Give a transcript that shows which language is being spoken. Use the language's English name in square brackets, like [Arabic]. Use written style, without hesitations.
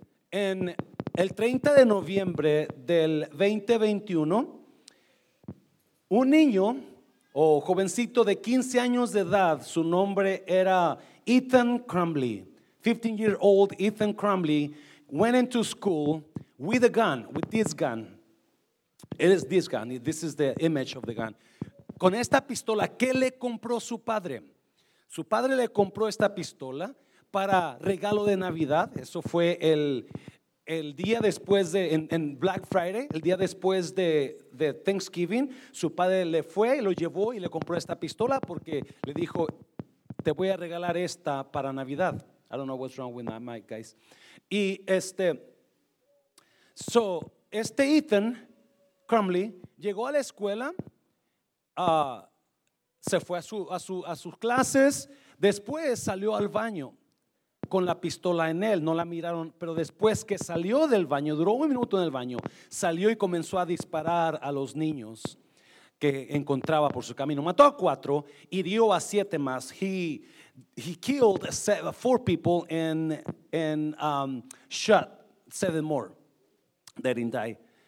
[Spanish] En el 30 de noviembre del 2021, un niño o jovencito de 15 años de edad, su nombre era Ethan Crumbly, [English] 15-year-old Ethan Crumbly, went into school with a gun, with this gun. It is this gun, this is the image of the gun. [Spanish] Con esta pistola, ¿qué le compró su padre? Su padre le compró esta pistola para regalo de Navidad. Eso fue el día después de, en Black Friday, el día después de Thanksgiving. Su padre le fue y lo llevó y le compró esta pistola porque le dijo, te voy a regalar esta para Navidad. [English] I don't know what's wrong with my mic, guys. [Spanish] Y este Ethan Crumbly llegó a la escuela, se fue a sus clases, después salió al baño con la pistola en él, no la miraron, pero después que salió del baño, duró un minuto en el baño, salió y comenzó a disparar a los niños que encontraba por su camino. Mató a 4, hirió a 7 más. [English] He killed 4 people and shot 7 more that didn't die.